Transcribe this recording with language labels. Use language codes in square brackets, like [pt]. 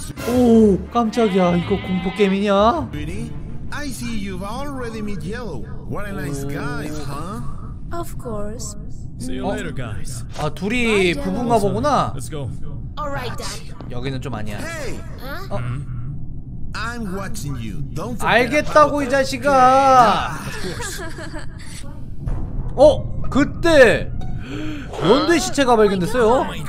[ko] 오 깜짝이야 이거 공포 게임이냐? [en] I see you've already met Yellow. What a nice guy, huh? Of course. See you later, guys. [ko] 아 둘이 부부인가 보구나. [en] Let's go. Alright, Dad. [ko] 여기는 좀 아니야. [en] Hey. 어? I'm watching you. Don't. [ko] 알겠다고 이 자식아. 어 그때 연대 시체가 발견됐어요.